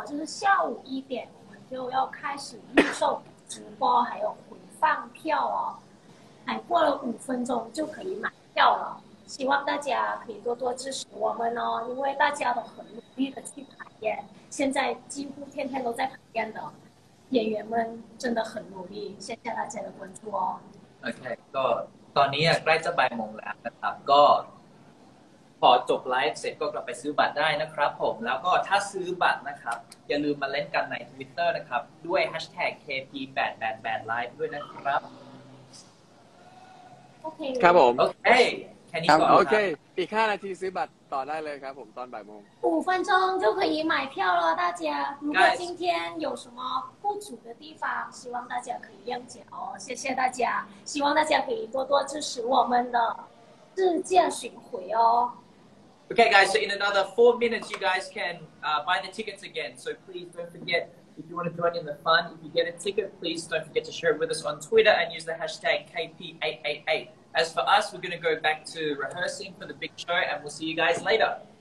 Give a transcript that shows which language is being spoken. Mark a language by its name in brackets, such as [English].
[Chinese] โอเค现在我们在有一遍哦就是下午1点我们就要开始预售直播还有回放票哦还过了5分钟就可以买掉了，希望大家可以多多支持我们哦，因为大家都很努力的去排演，现在几乎天天都在排演的演员们真的很努力，谢谢大家的关注哦。 [Thai] OK， ก็ตอนนี้ใกล้จะบ่ายโมงแล้วนะครับก็พอจบไลฟ์เสร็จก็กลับไปซื้อบัตรได้นะครับผมแล้วก็ถ้าซื้อบัตรนะครับอย่าลืมมาเล่นกันใน Twitter นะครับด้วย #KP888Live ด้วยนะครับ ครับผม โอเคแค่นี้ก่อน โอเคอีก5นาทีซื้อบัตรต่อได้เลยครับผมตอนบ่ายโมง [Chinese] 5分钟就可以买票了大家如果今天有什么不足的地方希望大家可以谅解哦谢谢大家希望大家可以多多支持我们的日渐巡回哦 [English] Okay guys so in another 4 minutes you guys can buy the tickets again so please don't forget if you want to join in the fun if you get a ticket please don't forget to share it with us on Twitter and use the hashtag KP888 as for us we're going to go back to rehearsing for the big show and we'll see you guys later